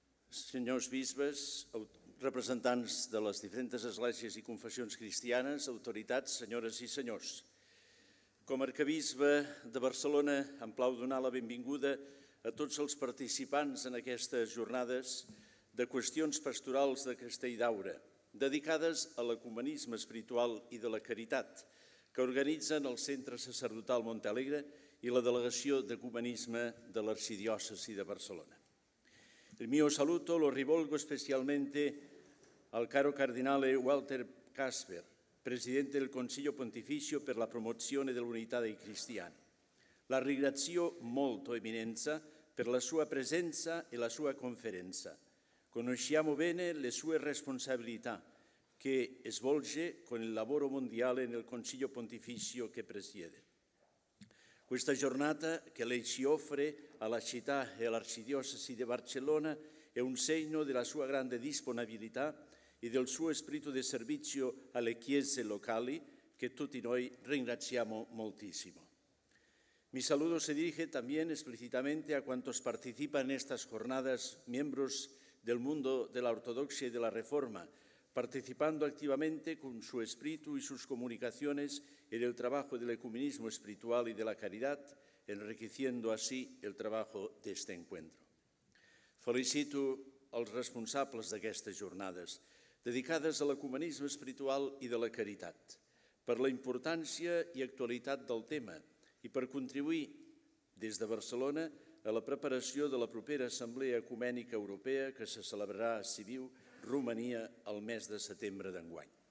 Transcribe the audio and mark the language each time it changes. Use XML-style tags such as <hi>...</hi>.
<ca>senyors bisbes, representants de les diferents esglésies i confessions cristianes, autoritats, senyores i senyors, com a arcabisbe de Barcelona, em plau donar la benvinguda a tots els participants en aquestes jornades de qüestions pastorals de Castelldaura, dedicades a l'ecumenisme espiritual i de la caritat, que organitzen el Centre Sacerdotal Montalegre i la Delegació d'Ecumenisme de l'Arxidiòcesi de Barcelona.</ca> <it>El mio saluto lo rivolgo especialmente al caro cardinale Walter Kasper, presidente del Consiglio Pontificio per la promozione dell'unità dei cristiani. La ringrazio molto, Eminenza, per la sua presenza e la sua conferenza. Conosciamo bene le sue responsabilità che svolge con il lavoro mondiale nel Consiglio Pontificio che presiede. Questa giornata che lei ci offre alla città e all'Arcidiocesi di Barcellona è un segno della sua grande disponibilità e del suo spirito di servizio alle chiese locali, che tutti noi ringraziamo moltissimo.</it> <es>Mi saluto si dirige también explícitamente a quantos participan en estas jornadas, miembros del mundo de la ortodoxia y de la reforma, participando activamente con su espíritu y sus comunicaciones en el trabajo del ecumenismo espiritual y de la caridad, enriqueciendo así el trabajo de este encuentro.</es> <ca>Felicito als responsables d'aquestes jornades, dedicades a l'ecumenisme espiritual i de la caritat, per la importància i actualitat del tema i per contribuir des de Barcelona a la preparació de la propera Assemblea Ecumènica Europea que se celebrarà a Sibiu, Romania, el mes de setembre d'enguany.</ca>